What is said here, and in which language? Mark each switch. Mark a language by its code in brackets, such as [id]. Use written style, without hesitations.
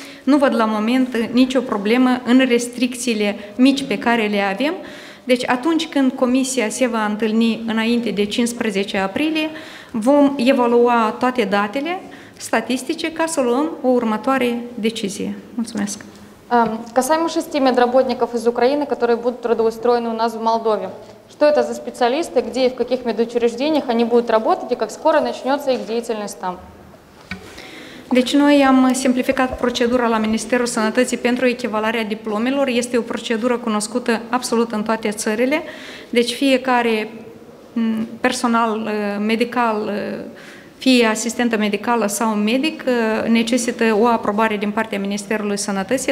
[ro] Nu văd la moment nicio problemă în restricțiile mici pe care le avem. Deci atunci când comisia se va întâlni înainte de 15 aprilie, vom evalua toate datele statistice ca să luăm o următoare decizie. Mulțumesc. [ru] Касаемо 6 медработников из Украины, которые будут трудоустроены у нас в Молдове. Что это за специалисты, где и в каких медучреждениях они будут работать и как скоро начнется их деятельность там? [ro] Deci noi am simplificat procedura la Ministerul Sănătății pentru echivalarea diplomelor. Este o procedură cunoscută absolut în toate țările. Deci fiecare personal medical, fie asistentă medicală sau medic, necesită o aprobare din partea Ministerului Sănătății.